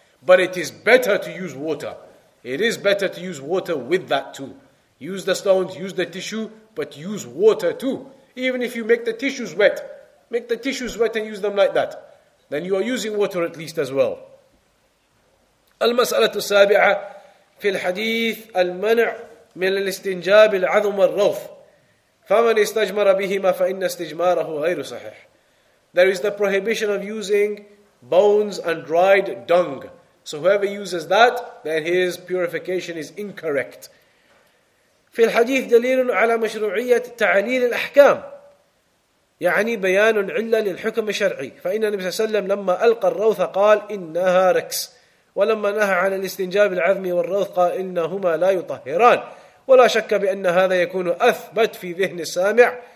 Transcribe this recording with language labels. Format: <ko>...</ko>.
<en>But it is better to use water. It is better to use water with that too. Use the stones, use the tissue, but use water too. Even if you make the tissues wet, make the tissues wet and use them like that. Then you are using water at least as well.</en> <ar>المسألة السابعة في الحديث المنع من الاستنجاب العظم والروث فمن استجمر بهما فإن استجماره غير صحيح.</ar> <en>There is the prohibition of using bones and dried dung. So whoever uses that, then his purification is incorrect.</en> <ar>في الحديث دليل على مشروعية تعليل الأحكام يعني بيان علة للحكم الشرعي فإن النبي صلى الله عليه وسلم لما ألقى الروث قال إنها ركس ولما نهى عن الاستنجاب العظم والروث قال إنهما لا يطهران ولا شك بأن هذا يكون أثبت في ذهن السامع</ar>